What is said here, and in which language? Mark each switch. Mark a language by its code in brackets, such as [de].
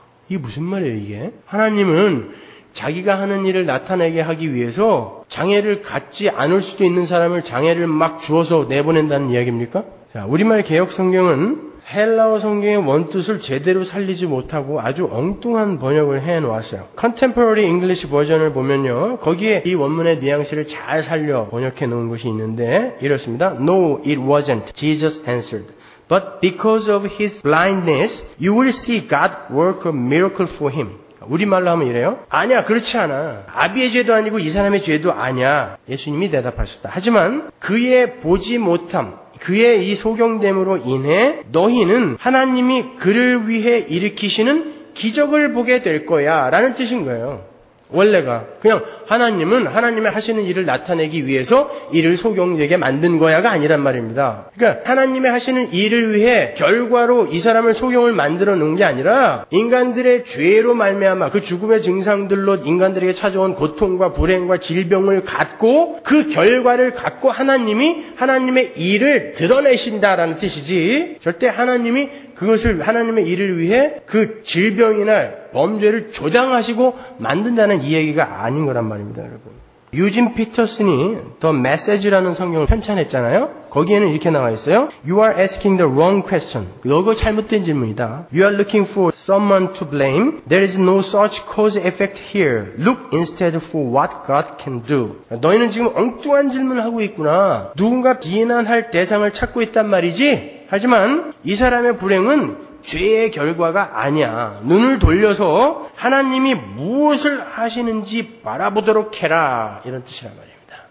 [ko] 이게 무슨 말이에요 이게? 하나님은 자기가 하는 일을 나타내게 하기 위해서 장애를 갖지 않을 수도 있는 사람을 장애를 막 주어서 내보낸다는 이야기입니까? 자, 우리말 개역성경은 헬라어 성경의 원뜻을 제대로 살리지 못하고 아주 엉뚱한 번역을 해놓았어요. Contemporary English 버전을 보면요. 거기에 이 원문의 뉘앙스를 잘 살려 번역해 놓은 것이 있는데 이렇습니다. [en] No, it wasn't. Jesus answered. But because of his blindness, you will see God work a miracle for him. [ko] 우리말로 하면 이래요. 아니야, 그렇지 않아. 아비의 죄도 아니고 이 사람의 죄도 아니야. 예수님이 대답하셨다. 하지만 그의 보지 못함, 그의 이 소경됨으로 인해 너희는 하나님이 그를 위해 일으키시는 기적을 보게 될 거야 라는 뜻인 거예요. 원래가 그냥 하나님은 하나님의 하시는 일을 나타내기 위해서 이를 소경되게 만든 거야가 아니란 말입니다. 그러니까 하나님의 하시는 일을 위해 결과로 이 사람을 소경을 만들어 놓은 게 아니라 인간들의 죄로 말미암아 그 죽음의 증상들로 인간들에게 찾아온 고통과 불행과 질병을 갖고 그 결과를 갖고 하나님이 하나님의 일을 드러내신다라는 뜻이지 절대 하나님이 그것을 하나님의 일을 위해 그 질병이나 범죄를 조장하시고 만든다는 이 얘기가 아닌 거란 말입니다, 여러분. 유진 피터슨이 The Message라는 성경을 편찬했잖아요. 거기에는 이렇게 나와 있어요. [en] You are asking the wrong question. [ko] 너가 잘못된 질문이다. [en] You are looking for someone to blame. There is no such cause effect here. Look instead for what God can do. [ko] 너희는 지금 엉뚱한 질문을 하고 있구나. 누군가 비난할 대상을 찾고 있단 말이지? 하지만 이 사람의 불행은 죄의 결과가 아니야. 눈을 돌려서 하나님이 무엇을 하시는지 바라보도록 해라. 이런 뜻이란 말입니다.